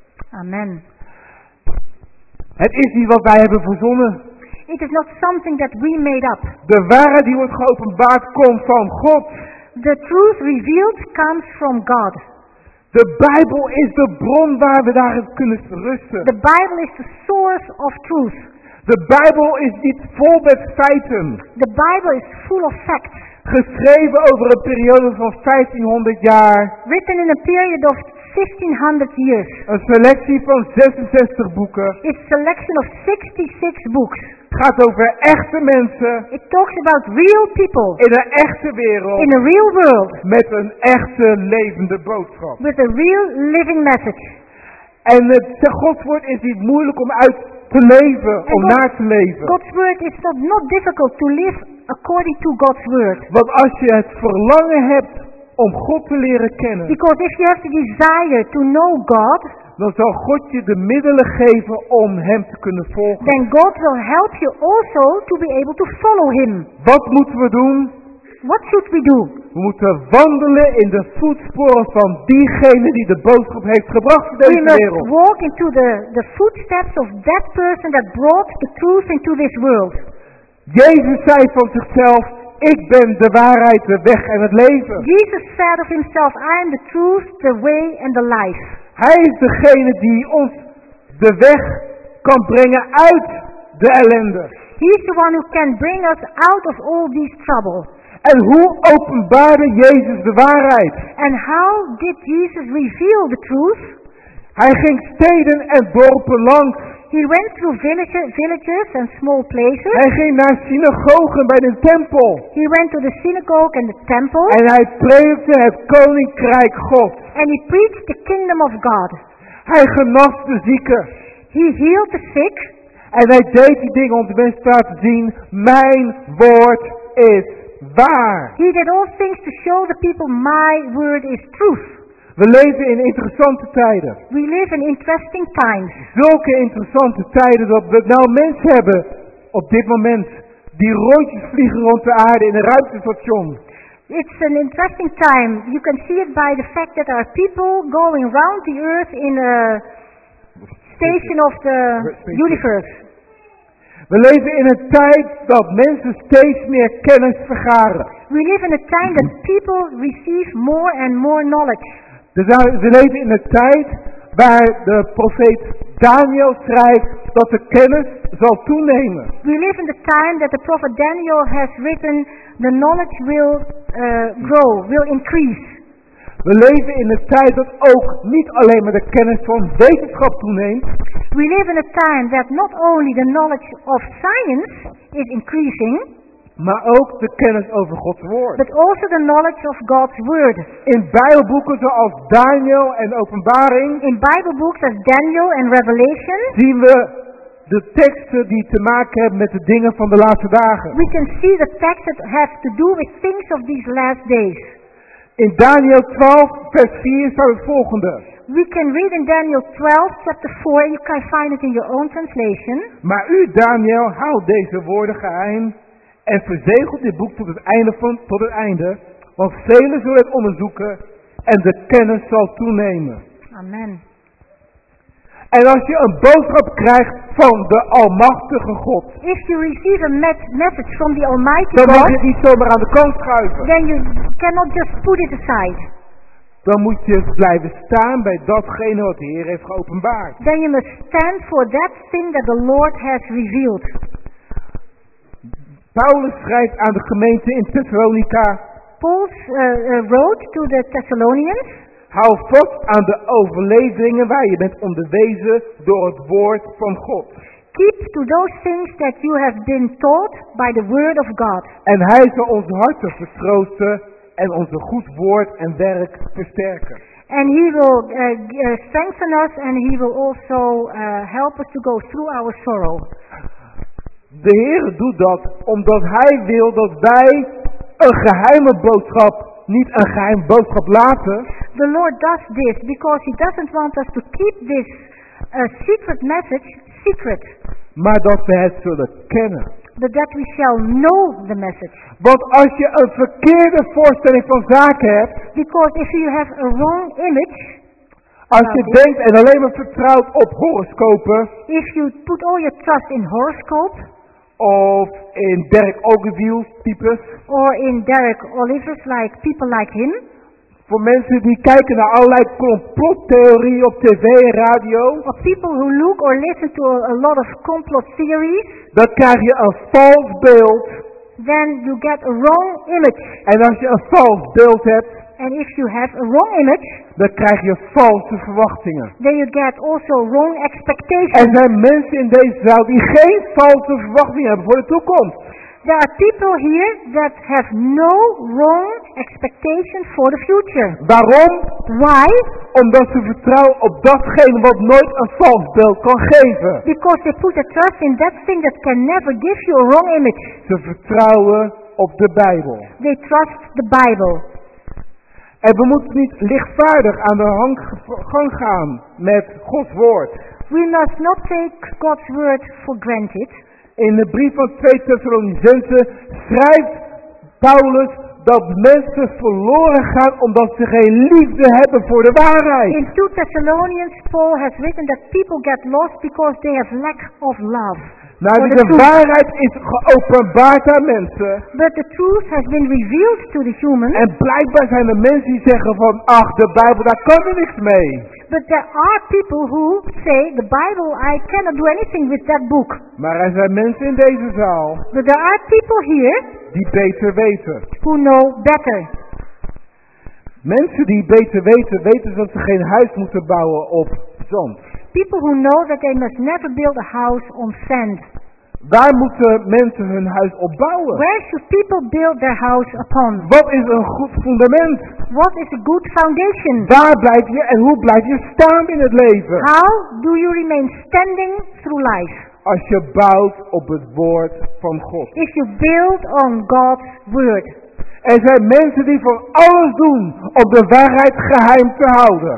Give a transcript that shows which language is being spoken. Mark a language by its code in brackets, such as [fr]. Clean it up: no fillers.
[nl] Amen. Het is niet wat wij hebben verzonnen. [en] It is not something that we made up. [nl] De waarheid die wordt geopenbaard komt van God. [en] The truth revealed comes from God. [nl] De Bijbel is de bron waar we daarin kunnen rusten. [en] The Bible is the source of truth. [nl] De Bijbel is niet vol met feiten. [en] The Bible is full of facts. [nl] Geschreven over een periode van 1500 jaar. [en] Written in a period of 1500 years. [nl] Een selectie van 66 boeken. [en] It's a selection of 66 books. [nl] Het gaat over echte mensen. [en] It talks about real people. [nl] In een echte wereld. [en] In a real world. [nl] Met een echte levende boodschap. [en] With a real living message. [nl] En het Gods woord is niet moeilijk om uit te leven, [en] and [nl] om naar te leven. [en] God's word is not difficult to live according to God's word. [nl] Want als je het verlangen hebt om God te leren kennen. [en] Because if you have the desire to know God. [nl] Dan zal God je de middelen geven om hem te kunnen volgen. [en] Then God will help you also to be able to follow him. [nl] Wat moeten we doen? [en] What should we do? [nl] We moeten wandelen in de voetsporen van diegene die de boodschap heeft gebracht in deze wereld. [en] We must walk into the footsteps of that person that brought the truth into this world. [nl] Jezus zei van zichzelf, ik ben de waarheid, de weg en het leven. [en] Jesus said of himself, I am the truth, the way and the life. [nl] Hij is degene die ons de weg kan brengen uit de ellende. [en] He is the one who can bring us out of all these troubles. [nl] En hoe openbaarde Jezus de waarheid? [en] And how did Jesus reveal the truth? [nl] Hij ging steden en dorpen langs. [en] He went through villages and small places. [nl] Hij ging naar synagogen bij de tempel. [en] He went to the synagogue and the temple. [nl] En hij preekte het koninkrijk God. [en] And he preached the kingdom of God. [nl] Hij genas de zieken. [en] He healed the sick. [nl] En hij deed die dingen om de mensen te laten zien, mijn woord is waar. [en] He did all things to show the people my word is truth. [nl] We leven in interessante tijden. [en] We live in interesting times. [nl] Zulke interessante tijden dat we nou mensen hebben op dit moment die rondjes vliegen rond de aarde in een ruimtestation. [en] It's an interesting time. You can see it by the fact that there are people going round the earth in a station of the universe. [nl] We leven in een tijd dat mensen steeds meer kennis vergaren. [en] We live in a time that people receive more and more knowledge. [nl] We leven in een tijd waar de profeet Daniel schrijft dat de kennis zal toenemen. [en] We live in the time that the prophet Daniel has written the knowledge will grow, will increase. [nl] We leven in een tijd dat ook niet alleen maar de kennis van wetenschap toeneemt. [en] We live in a time that not only the knowledge of science is increasing, [nl] maar ook de kennis over Gods woord. [en] But also the knowledge of God's word. [nl] In Bijbelboeken zoals Daniel en Openbaring, [en] in Bible books as Daniel and Revelation, [nl] zien we de teksten die te maken hebben met de dingen van de laatste dagen. [en] We can see the texts that have to do with things of these last days. [nl] In Daniel 12 vers 4 staat het volgende. [en] We can read in Daniel 12 chapter 4. You can find it in your own translation. [nl] Maar u Daniel houdt deze woorden geheim en verzegelt dit boek tot het einde, want velen zullen het onderzoeken en de kennis zal toenemen. Amen. En als je een boodschap krijgt van de Almachtige God, [en] if you receive a message from the Almighty [nl] dan [en] God, [nl] dan mag je het niet zomaar aan de kant schuiven. [en] Then you cannot just put it aside. [nl] Dan moet je blijven staan bij datgene wat de Heer heeft geopenbaard. [en] Then you must stand for that thing that the Lord has revealed. [nl] Paulus schrijft aan de gemeente in Thessalonica. [en] Paul wrote to the Thessalonians. [nl] Hou vast aan de overleveringen waar je bent onderwezen door het woord van God. [en] Keep to those things that you have been taught by the word of God. [nl] En hij zal ons harten vertroosten en onze goed woord en werk versterken. [en] And he will strengthen us and he will also help us to go through our sorrow. [nl] De Heer doet dat omdat hij wil dat wij een geheime boodschap, niet een geheim boodschap laten. [en] The Lord does this because he doesn't want us to keep this secret message secret. [nl] Maar dat we het zullen kennen. [en] But that we shall know the message. [nl] Want als je een verkeerde voorstelling van zaken hebt, [en] because if you have a wrong image, [nl] als je denkt en alleen maar vertrouwt op horoscopen, [en] if you put all your trust in horoscopes, [nl] of in Derek Ogilvie's types, [en] or in Derek Oliver's like people like him, [nl] voor mensen die kijken naar allerlei complottheorieën op tv en radio, [en] of people who look or listen to a lot of complot theories, [nl] dan krijg je een vals beeld. [en] Then you get a wrong image. [nl] En als je een vals beeld hebt, [en] and if you have a wrong image, [nl] dan krijg je valse verwachtingen. [en] Then you get also wrong expectations. [nl] Er zijn mensen in deze zaal die geen valse verwachtingen hebben voor de toekomst. [en] There are people here that have no wrong expectation for the future. [nl] Waarom? [en] Why? [nl] Omdat ze vertrouwen op datgene wat nooit een vals beeld kan geven. [en] Because they put their trust in that thing that can never give you a wrong image. [nl] Ze vertrouwen op de Bijbel. [en] They trust the Bible. [nl] En we moeten niet lichtvaardig aan de gang gaan met Gods woord. [en] We must not take God's word for granted. [nl] In de brief van 2 Thessalonicenzen schrijft Paulus dat mensen verloren gaan omdat ze geen liefde hebben voor de waarheid. [en] In 2 Thessalonians Paul has written that people get lost because they have lack of love. [nl] Nou, dus de waarheid is geopenbaard aan mensen. [en] But the truth has been revealed to the human. [nl] En blijkbaar zijn er mensen die zeggen van, ach, de Bijbel, daar kan er niks mee. [en] But there are people who say, the Bible, I cannot do anything with that book. [nl] Maar er zijn mensen in deze zaal. [en] But there are people here. [nl] Die beter weten. [en] Who know better. [nl] Mensen die beter weten, weten dat ze geen huis moeten bouwen op zand. [en] People who know that they must never build a house on sand. [nl] Waar moeten mensen hun huis op bouwen? [en] Where should people build their house upon? [nl] Wat is een goed fundament? [en] What is a good foundation? [nl] Waar blijf je en hoe blijf je staan in het leven? [en] How do you remain standing through life? [nl] Als je bouwt op het woord van God. [en] If you build on God's word. [nl] Er zijn mensen die voor alles doen om de waarheid geheim te houden.